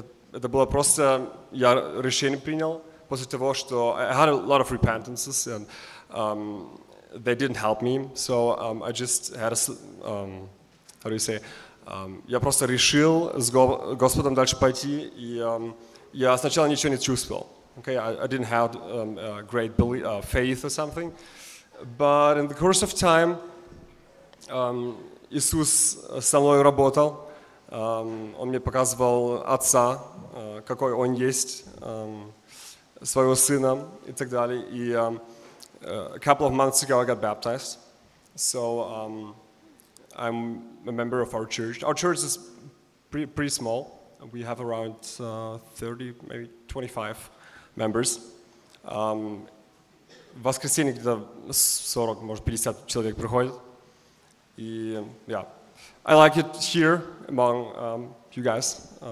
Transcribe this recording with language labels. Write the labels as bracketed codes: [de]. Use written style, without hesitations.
[ru] Это было просто, я решение принял. После того, что [en] I had a lot of repentances, and they didn't help me, so I just had a how do you say, [ru] я просто решил с Господом дальше пойти, и я сначала ничего не чувствовал. [en] Okay, I didn't have a great belief, faith or something. But in the course of time, [ru] Иисус со мной работал. Он мне показывал Отца, какой Он есть, своего Сына и так далее. [en] И a couple of months ago, I got baptized. So I'm a member of our church. Our church is pretty small. We have around 30, maybe 25 members. [ru] В воскресенье где-то 40, может, 50 человек приходит. [en] И, yeah, I like it here among you guys.